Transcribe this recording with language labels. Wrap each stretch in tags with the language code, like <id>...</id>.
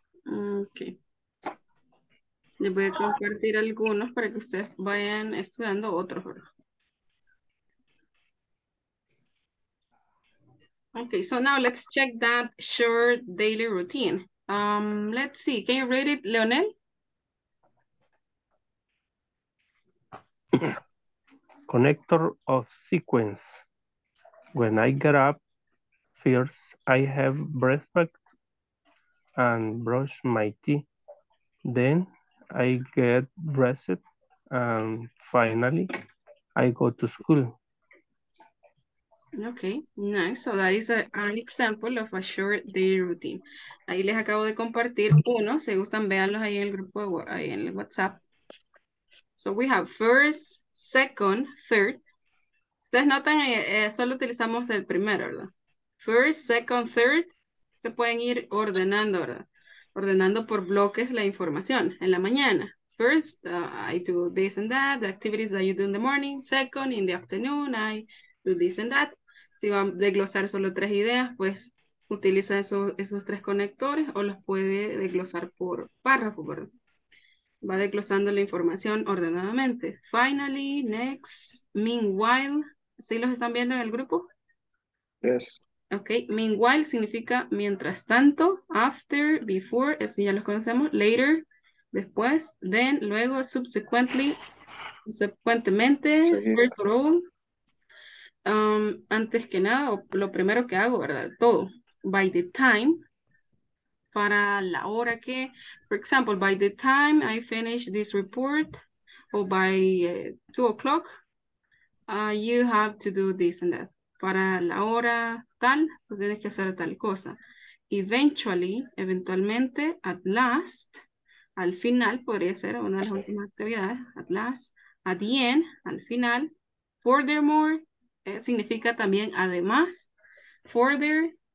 <en>Okay.</en> <es>Les voy a compartir algunos para que ustedes vayan estudiando otros.</es> <en>Okay, so now let's check that short daily routine. Let's see, can you read it, Leonel? Connector of sequence. When I get up, first I have breakfast and brush my teeth. Then I get dressed and finally I go to school. Okay, nice. So that is an example of a short day routine.</en> <es>Ahí les acabo de compartir uno. Si gustan, véanlos ahí en el grupo, ahí en el WhatsApp.</es> <en>So we have first, second, third.</en> <es>Ustedes notan, solo utilizamos el primero, ¿verdad?</es> <en>First, second, third.</en> <es>Se pueden ir ordenando, ¿verdad? Ordenando por bloques la información en la mañana.</es> <en>First, I do this and that. The activities that you do in the morning. Second, in the afternoon, I do this and that.</en> <es>Si van a desglosar solo tres ideas, pues utiliza esos tres conectores o los puede desglosar por párrafo, ¿verdad? Va desglosando la información ordenadamente.</es> <en>Finally, next, meanwhile.</en> <es>¿Sí los están viendo en el grupo?</es> <en>Yes.</en> <es>Ok, meanwhile significa mientras tanto, after, before, eso ya los conocemos, later, después, then, luego, subsequently,</es> <en>first of all.</en> <es>Antes que nada, lo primero que hago, ¿verdad? Todo.</es> <en>By the time,</en> <es>para la hora que,</es> <en>for example, by the time I finish this report, or by 2 o'clock, you have to do this and that.</en> <es>Para la hora tal, tienes que hacer tal cosa. Eventualmente,</es> <en>at last,</en> <es>al final, podría ser una de las últimas actividades, at last,</es> <en>at the end,</en> <es>al final, furthermore, significa también además, further,</es>